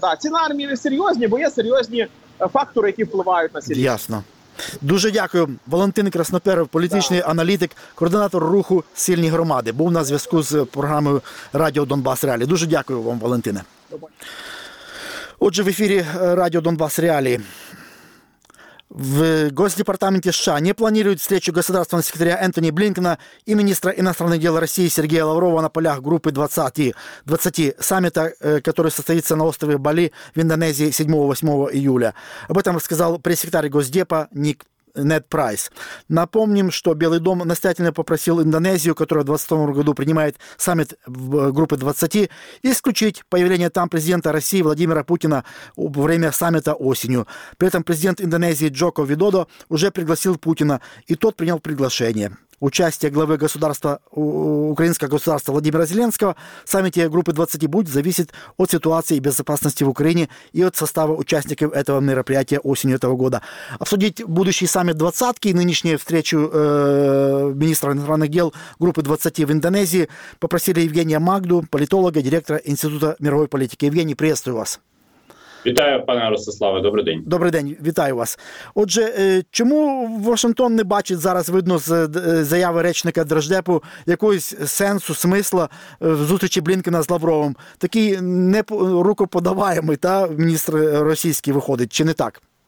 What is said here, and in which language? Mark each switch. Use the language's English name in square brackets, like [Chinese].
[Ukrainian] Так, ці наміри серйозні, бо є серйозні фактори, які впливають на серйозні. Ясно. Дуже дякую. Валентин Красноперов, політичний аналітик, координатор руху «Сильні громади», був на зв'язку з програмою «Радіо Донбас Реалі». Дуже дякую вам, Валентине. Отже, в ефірі «Радіо Донбас Реалі». [Russian] В Госдепартаменте США не планируют встречу государственного секретаря Энтони Блинкена и министра иностранных дел России Сергея Лаврова на полях группы 20 саммита, который состоится на острове Бали в Индонезии 7-8 июля. Об этом рассказал пресс-секретарь Госдепа Нед Прайс. Напомним, что Белый дом настоятельно попросил Индонезию, которая в 2022 году принимает саммит группы 20, исключить появление там президента России Владимира Путина во время саммита осенью. При этом президент Индонезии Джоко Видодо уже пригласил Путина, и тот принял приглашение. Участие главы государства, украинского государства Владимира Зеленского в саммите группы 20 будет зависеть от ситуации и безопасности в Украине и от состава участников этого мероприятия осенью этого года. Обсудить будущий саммит 20-ки и нынешнюю встречу министра иностранных дел группы 20 в Индонезии попросили Евгения Магду, политолога, директора Института мировой политики. Евгений, приветствую вас. [Ukrainian] Вітаю, пане Ростиславе, добрий день. Добрий день, вітаю вас. Отже, чому Вашингтон не бачить зараз, видно з заяви речника Держдепу, якогось сенсу, смисла в зустрічі Блінкена з Лавровим? Такий не рукоподаваємий, та міністр російський виходить, чи не так?